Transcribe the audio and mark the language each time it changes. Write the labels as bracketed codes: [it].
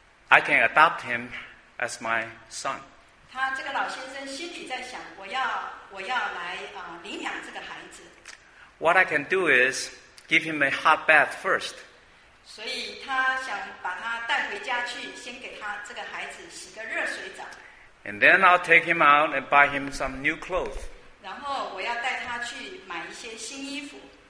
[en] I can adopt him as my son. [zh] 他这个老先生心里在想，我要来领养这个孩子。 [en] What I can do is give him a hot bath first. [zh] 所以他想把他带回家去，先给他这个孩子洗个热水澡。 [en] And then I'll take him out and buy him some new clothes. [zh] 然后我要带他去买一些新衣服。